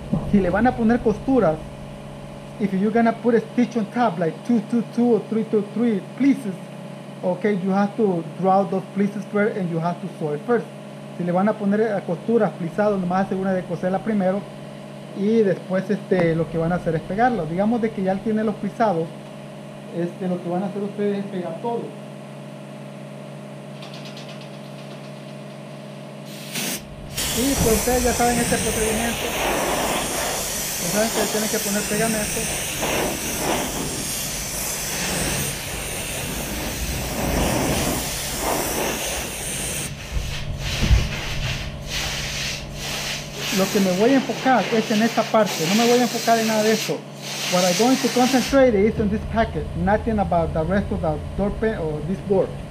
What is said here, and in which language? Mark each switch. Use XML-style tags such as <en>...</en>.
<en>Si le van a poner costuras, if you're gonna put a stitch on top, like 2-2-2 or 3-2-3 pleces, ok, you have to draw those pleces first and you have to sew it first.</en> <es>Si le van a poner costuras, plisados, nomás asegúrense de coserla primero, y después lo que van a hacer es pegarlo. Digamos de que ya tiene los plisados, lo que van a hacer ustedes es pegar todo. Y pues ustedes ya saben este procedimiento. Ya saben que tienen que poner pegamento. Lo que me voy a enfocar es en esta parte. No me voy a enfocar en nada de eso.</es> <en>What I'm going to concentrate is on this packet. Nothing about the rest of the door pin or this board.</en>